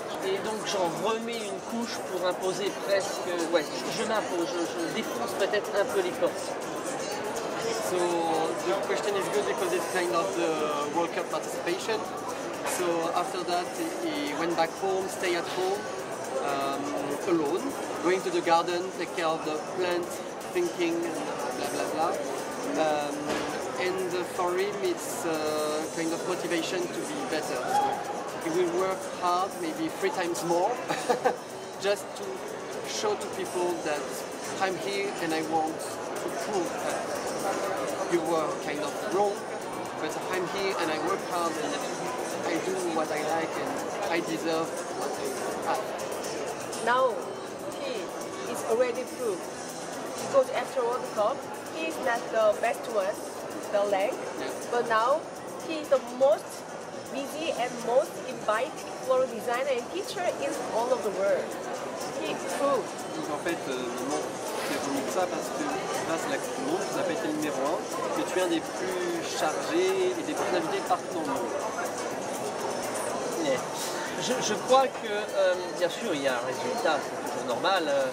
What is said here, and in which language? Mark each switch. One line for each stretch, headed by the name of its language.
French: Et donc j'en remets une couche pour imposer presque, ouais, je m'impose, je défonce peut-être un peu les forces.
English: So the question is good because it's kind of the World Cup participation. So after that, he went back home, stay at home, alone, going to the garden, take care of the plants, thinking and blah blah blah. And for him, it's a kind of motivation to be better. So he will work hard, maybe 3 times more, just to show to people that I'm here and I want to prove that you were kind of wrong. But I'm here and I work hard and I do what I like and I deserve what I have. Now he is already proved. Because after World Cup, he is not the best one, the leg. Yeah. But now he is the most busy and most invited floral designer and teacher in all of the world. He is proved.
French: Donc en fait, c'est venu ça parce que grâce à la Coupe du Monde, tu as fait le numéro 1 et tu es un des plus chargés et des plus invités partout dans le monde. Mais je crois que, bien sûr, il y a un résultat, c'est toujours normal.